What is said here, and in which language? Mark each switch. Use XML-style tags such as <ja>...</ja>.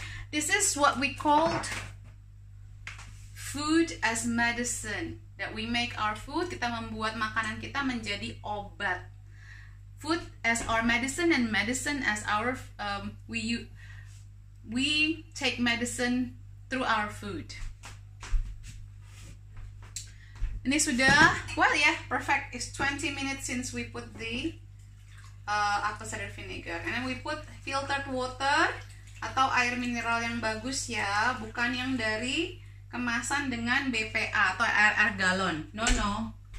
<en>This is what we called food as medicine. That we make our food,</en> <id>kita membuat makanan kita menjadi obat.</id> <en>Food as our medicine and medicine as our we take medicine through our food.</en> <id>Ini sudah</id> <en>well ya, yeah, perfect. It's 20 minutes since we put the apple cider vinegar. And then we put filtered water</en> <id>atau air mineral yang bagus ya, bukan yang dari kemasan dengan BPA atau air galon.</id> <en>No, no.</en>